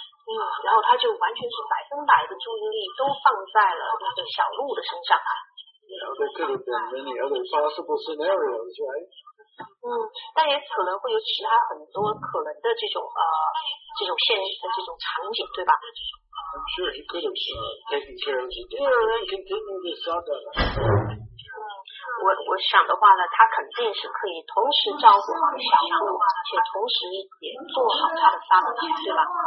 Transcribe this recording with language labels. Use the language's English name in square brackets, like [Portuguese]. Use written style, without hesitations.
[Chinese] 然后他就完全是百分百的注意力都放在了那个小鹿的身上。 [English] There could have been many other possible scenarios, right? [Chinese] 但也可能会有其他很多可能的这种现实的这种场景，对吧？ [English] I'm sure he could have taken care of the deer and continued his saga. [Chinese] 我想的话呢他肯定是可以同时照顾好小鹿且同时也做好他的萨达纳对吧